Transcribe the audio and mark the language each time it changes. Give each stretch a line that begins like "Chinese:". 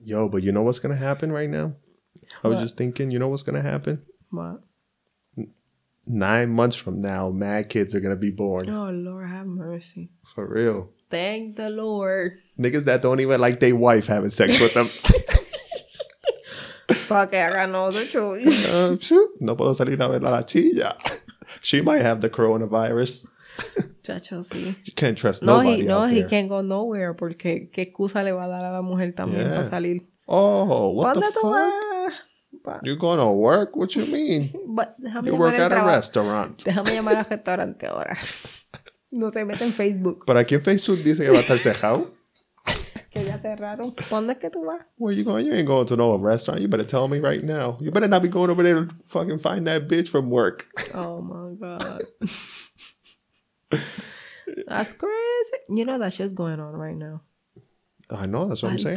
English: Yo, but you know what's going to happen right now? I was just thinking, you know what's going to happen? What? 9 months from now, mad kids are going to be born. Oh, Lord, have mercy. For real. Thank the Lord. Niggas that don't even like their wife having sex with them. Fuck it, I got no other choice.
Spanish: No puedo salir a ver la chilla.
English: She might have the coronavirus. Chelsea. You can't trust nobody out there. No, he can't go nowhere
Spanish: porque qué excusa le va a dar a la mujer también para salir.
English: Oh, what the fuck? You're going to work? What you mean? But you work at a restaurant.
Spanish: Déjame llamar al restaurante ahora. No se mete en Facebook. ¿Para aquí en Facebook dice que va a estar cerrado? Que ya cerraron. ¿Dónde es que tú vas?
English: Where you going? You ain't going to no restaurant. You better tell me right now. You better not be going over there to fucking find that bitch from work. Oh my God. That's crazy. You know that shit's going on right now. I know, that's what I'm saying.